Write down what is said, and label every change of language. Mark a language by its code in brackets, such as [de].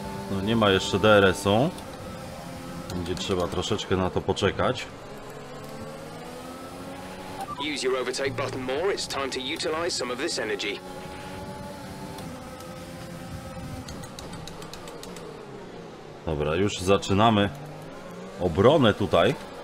[pl] No nie ma jeszcze DRS-u. Będzie trzeba troszeczkę na to poczekać. [en] Use your overtake button more. It's time to utilize some of this energy. [pl] Dobra, już zaczynamy obronę tutaj.